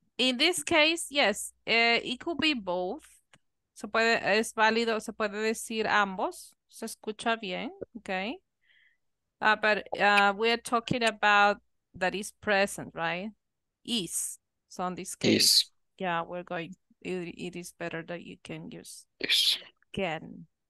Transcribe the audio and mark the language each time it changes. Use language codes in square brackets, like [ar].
[en] In this case, yes, it could be both. [es] Se puede, es válido, se puede decir ambos. Se escucha bien, okay? [en] But we're talking about that is present, right? Is. So in this case, it is better that you can use can.